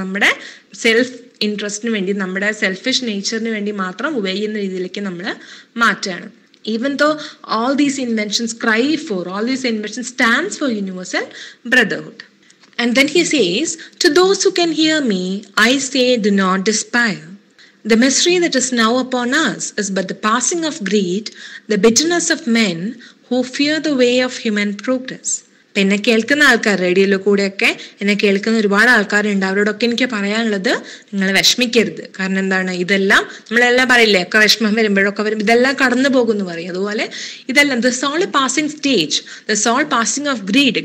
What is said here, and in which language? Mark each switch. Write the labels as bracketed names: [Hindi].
[Malayalam] നമ്മുടെ സെൽഫ് ഇൻട്രസ്റ്റിന് വേണ്ടി, നമ്മുടെ സെൽഫിഷ് നേച്ചറിന് വേണ്ടി മാത്രം ഉപയോഗിക്കുന്ന രീതിയിലേക്ക് നമ്മൾ മാറ്റുകയാണ്. [English] Even though all these inventions cry for, all these invention stands for universal brotherhood. And then he says to those who can hear me I say do not despair. The misery that is now upon us is but the passing of greed, the bitterness of men who fear the way of human progress. [Malayalam] പിന്നെ കേൾക്കുന്ന ആൾക്കാർ, റേഡിയോയിൽ കൂടെയൊക്കെ എന്നെ കേൾക്കുന്ന ഒരുപാട് ആൾക്കാരുണ്ട്, അവരോടൊക്കെ എനിക്ക് പറയാനുള്ളത് നിങ്ങൾ വിഷമിക്കരുത്. കാരണം എന്താണ്, ഇതെല്ലാം നമ്മളെല്ലാം പറയില്ലേ, ഒക്കെ വിഷമം വരുമ്പോഴൊക്കെ വരും, ഇതെല്ലാം കടന്നു പോകുമെന്ന് പറയും. അതുപോലെ ഇതെല്ലാം [English] This all a passing stage, this all passing of greed.